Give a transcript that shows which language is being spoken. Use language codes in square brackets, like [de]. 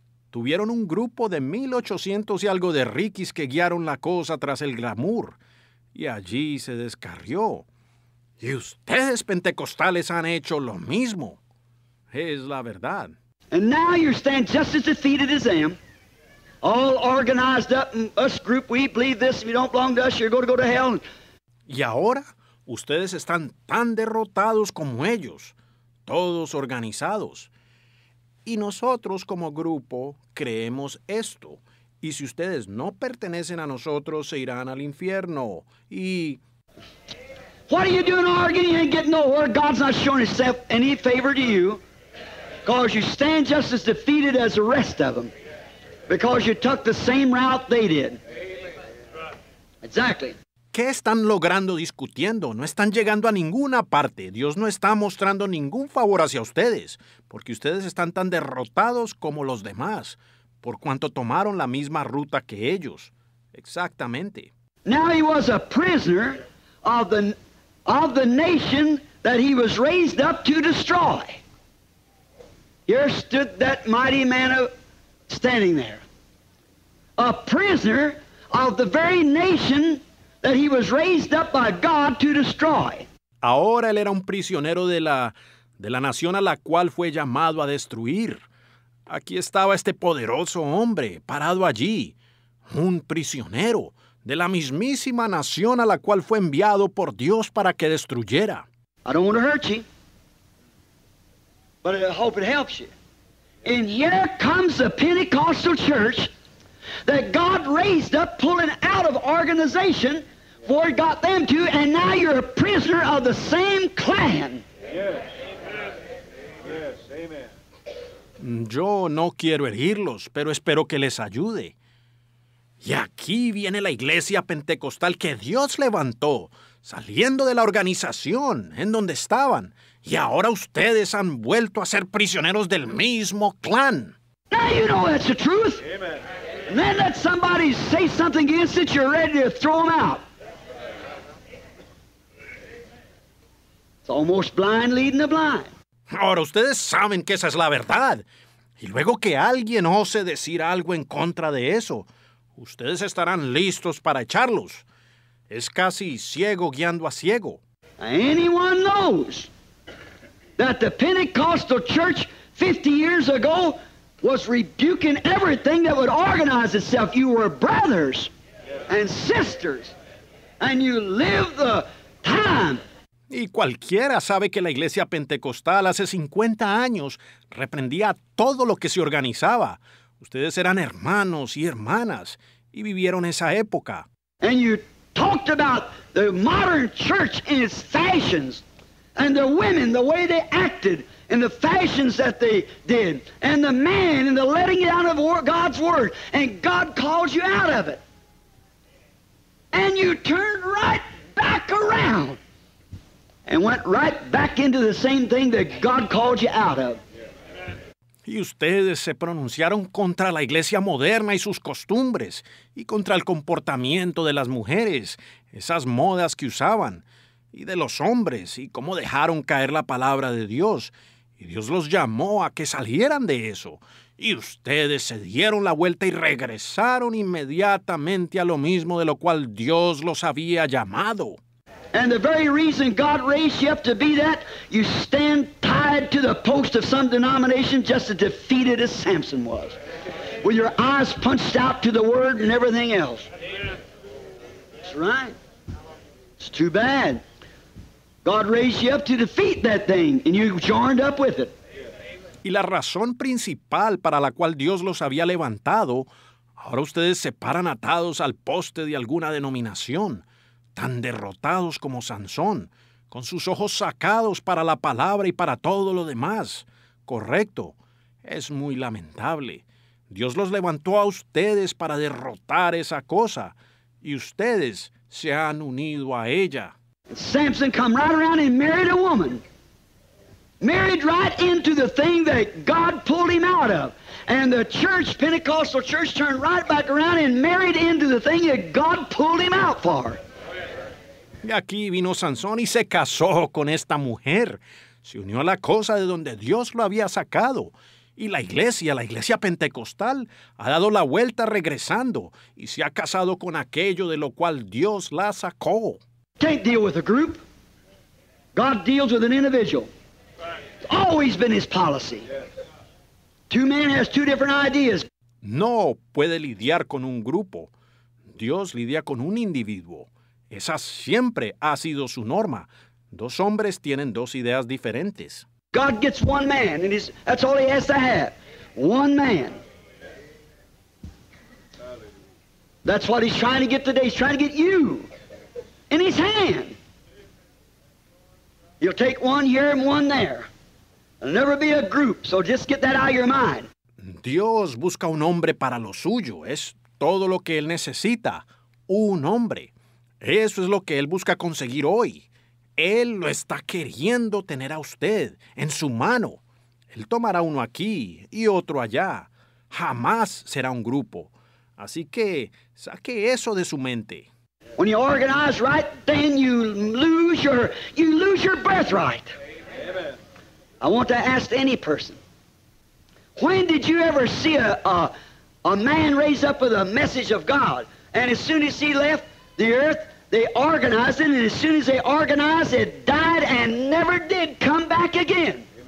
[es] Tuvieron un grupo de 1800 y algo de rikis que guiaron la cosa tras el glamour. Y allí se descarrió. Y ustedes pentecostales han hecho lo mismo. Es la verdad. [en] And now you stand just as defeated as them. All organized up in us group. We believe this. If you don't belong to us, you're going to go to hell. [es] Y ahora, ustedes están tan derrotados como ellos. Todos organizados. Y nosotros como grupo creemos esto. Y si ustedes no pertenecen a nosotros, se irán al infierno. Y... [en] What are you doing arguing? You ain't getting nowhere. God's not showing himself any favor to you. Because you stand just as defeated as the rest of them. Because you took the same route they did. Exactly. [es] ¿Qué están logrando discutiendo? No están llegando a ninguna parte. Dios no está mostrando ningún favor hacia ustedes, porque ustedes están tan derrotados como los demás, por cuanto tomaron la misma ruta que ellos. Exactamente. [en] Now he was a prisoner of the nation that he was raised up to destroy. Here stood that mighty man standing there. A prisoner of the very nation that he was raised up by God to destroy. [es] Ahora él era un prisionero de la nación a la cual fue llamado a destruir. Aquí estaba este poderoso hombre, parado allí, un prisionero de la mismísima nación a la cual fue enviado por Dios para que destruyera. [en] I don't want to hurt you, but I hope it helps you. And here comes the Pentecostal church that God raised up, pulling out of organization for it got them to, and now you're a prisoner of the same clan. Yes, amen. [es] Yo no quiero herirlos, pero espero que les ayude. Y aquí viene la iglesia pentecostal que Dios levantó, saliendo de la organización en donde estaban. Y ahora ustedes han vuelto a ser prisioneros del mismo clan. [en] Now you know that's the truth. Amen. Then let somebody say something against it, you're ready to throw them out. It's almost blind leading the blind. [es] Ahora, ustedes saben que esa es la verdad. Y luego que alguien ose decir algo en contra de eso, ustedes estarán listos para echarlos. Es casi ciego guiando a ciego. [en] Anyone knows that the Pentecostal church 50 years ago was rebuking everything that would organize itself. You were brothers and sisters, and you lived the time. [es] Y cualquiera sabe que la iglesia pentecostal hace 50 años reprendía todo lo que se organizaba. Ustedes eran hermanos y hermanas y vivieron esa época. [en] And you talked about the modern church and its fashions and the women, the way they acted and the fashions that they did and the man and the letting down of God's word, and God called you out of it. And you turned right back around and went right back into the same thing that God called you out of. [es] Y ustedes se pronunciaron contra la iglesia moderna y sus costumbres, y contra el comportamiento de las mujeres, esas modas que usaban, y de los hombres, y cómo dejaron caer la palabra de Dios. Y Dios los llamó a que salieran de eso. Y ustedes se dieron la vuelta y regresaron inmediatamente a lo mismo de lo cual Dios los había llamado. [en] And the very reason God raised you up to be that, you stand tied to the post of some denomination just as defeated as Samson was, with your eyes punched out to the word and everything else. That's right. It's too bad. God raised you up to defeat that thing, and you joined up with it. [es] Y la razón principal para la cual Dios los había levantado, ahora ustedes se paran atados al poste de alguna denominación, tan derrotados como Sansón, con sus ojos sacados para la palabra y para todo lo demás. Correcto. Es muy lamentable. Dios los levantó a ustedes para derrotar esa cosa, y ustedes se han unido a ella. [en] Samson come right around and married a woman. Married right into the thing that God pulled him out of. And the church, Pentecostal church, turned right back around and married into the thing that God pulled him out for. [es] Y aquí vino Sansón y se casó con esta mujer. Se unió a la cosa de donde Dios lo había sacado. Y la iglesia pentecostal, ha dado la vuelta regresando y se ha casado con aquello de lo cual Dios la sacó. [en] Can't deal with a group. God deals with an individual. It's always been his policy. Two men has two different ideas. [es] No puede lidiar con un grupo. Dios lidia con un individuo. Esa siempre ha sido su norma. Dos hombres tienen dos ideas diferentes. [en] God gets one man, and that's all he has to have. One man. That's what he's trying to get today. He's trying to get you in his hand. He'll take one here and one there. It'll never be a group, so just get that out of your mind. [es] Dios busca un hombre para lo suyo. Es todo lo que él necesita. Un hombre. Eso es lo que él busca conseguir hoy. Él lo está queriendo tener a usted en su mano. Él tomará uno aquí y otro allá. Jamás será un grupo. Así que saque eso de su mente. [en] When you organize right, then you lose your birthright. Amen. I want to ask any person. When did you ever see a man raise up with a message of God? And as soon as he left the earth, they organized it, and as soon as they organized, it died and never did come back again.